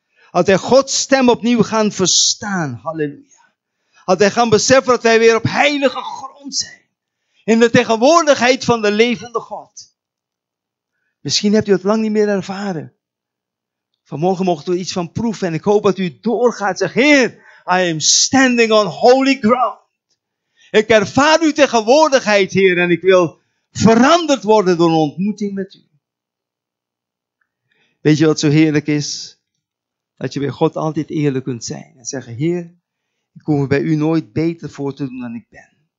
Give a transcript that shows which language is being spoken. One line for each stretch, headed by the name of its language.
Dutch: Dat wij Gods stem opnieuw gaan verstaan. Halleluja. Dat wij gaan beseffen dat wij weer op heilige grond zijn. In de tegenwoordigheid van de levende God. Misschien hebt u het lang niet meer ervaren. Vanmorgen mocht u iets van proeven. En ik hoop dat u doorgaat. Zeg, Heer,
English: I am standing on holy ground.
Dutch: Ik ervaar uw tegenwoordigheid, Heer. En ik wil veranderd worden door een ontmoeting met u. Weet je wat zo heerlijk is? Dat je bij God altijd eerlijk kunt zijn. En zeggen, Heer, ik hoef me bij u nooit beter voor te doen dan ik ben.